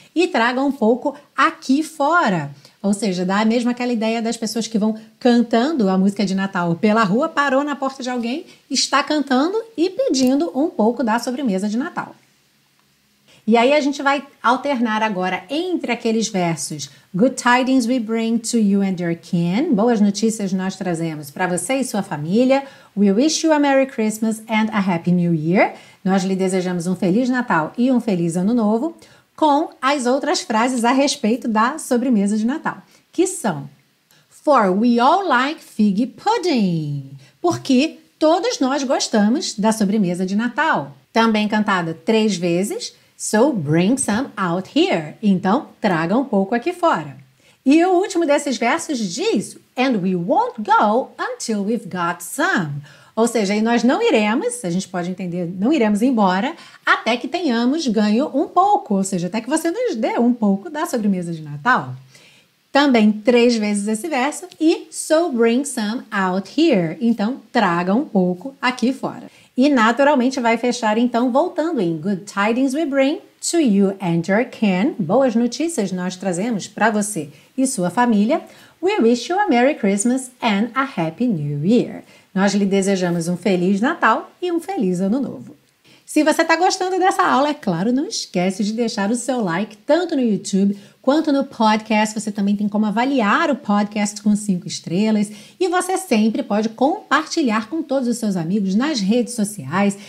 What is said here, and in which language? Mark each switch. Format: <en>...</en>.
<pt>E traga um pouco aqui fora. Ou seja, dá mesmo aquela ideia das pessoas que vão cantando a música de Natal pela rua, parou na porta de alguém, está cantando e pedindo um pouco da sobremesa de Natal. E aí a gente vai alternar agora entre aqueles versos</pt> <en>Good tidings we bring to you and your kin.</en> <pt>Boas notícias nós trazemos para você e sua família.</pt> <en>We wish you a Merry Christmas and a Happy New Year.</en> <pt>Nós lhe desejamos um Feliz Natal e um Feliz Ano Novo. Com as outras frases a respeito da sobremesa de Natal, que são</pt> <en>For we all like fig pudding.</en> <pt>Porque todos nós gostamos da sobremesa de Natal. Também cantada três vezes.</pt> <en>So bring some out here.</en> <pt>Então, traga um pouco aqui fora. E o último desses versos diz</pt> <en>And we won't go until we've got some.</en> <pt>Ou seja, e nós não iremos, a gente pode entender, não iremos embora até que tenhamos ganho um pouco. Ou seja, até que você nos dê um pouco da sobremesa de Natal. Também três vezes esse verso. E</pt> <en>so bring some out here.</en> <pt>Então, traga um pouco aqui fora. E naturalmente vai fechar então voltando em</pt> <en>Good tidings we bring to you and your kin.</en> <pt>Boas notícias nós trazemos para você e sua família.</pt> <en>We wish you a Merry Christmas and a Happy New Year.</en> <pt>Nós lhe desejamos um Feliz Natal e um Feliz Ano Novo. Se você está gostando dessa aula, é claro, não esquece de deixar o seu like tanto no YouTube quanto no podcast. Você também tem como avaliar o podcast com 5 estrelas. E você sempre pode compartilhar com todos os seus amigos nas redes sociais.</pt>